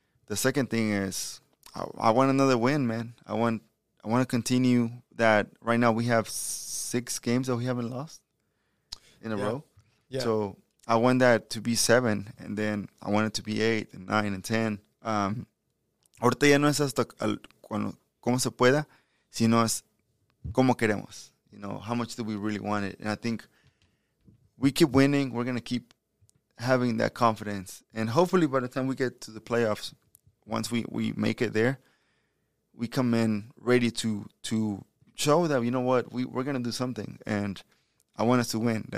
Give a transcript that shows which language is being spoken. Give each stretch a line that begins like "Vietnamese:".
English: The second thing is I want another win, man. I want to continue that. Right now we have 6 games that we haven't lost in a row. Yeah. So I want that to be 7, and then I want it to be 8 and 9 and 10.
Spanish: Ahorita ya no es hasta como se pueda, sino es como queremos.
English: You know, how much do we really want it? And I think we keep winning, we're going to keep having that confidence. And hopefully by the time we get to the playoffs, once we make it there, we come in ready to show that, you know what, we're going to do something, and I want us to win.